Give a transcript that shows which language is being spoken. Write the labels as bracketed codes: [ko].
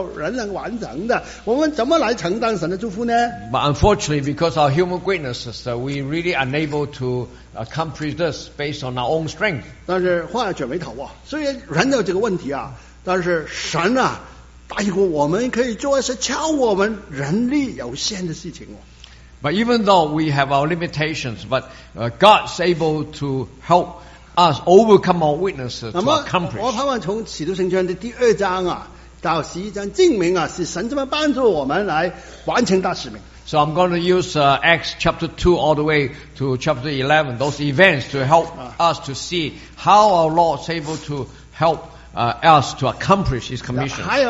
[zh] 很可惜啊，从人性的软弱当中啊，这个根本没有办法靠人来完成的。我们怎么来承担神的祝福呢？ [en] But unfortunately, because of our human greatness, we really unable to accomplish this based on our own strength. [zh] 但是话卷没头啊，虽然人有这个问题啊，但是神啊答应过我们可以做一些超我们人力有限的事情。But [en] even though we have our limitations, but God's able to help us overcome our weaknesses to accomplish. [zh] 我盼望从使徒行传的第二章啊到十一章，证明啊是神这么帮助我们来完成大使命。 [en] So I'm going to use Acts chapter 2 all the way to chapter 11, those events to help us to see how our Lord is able to help us to accomplish His commission.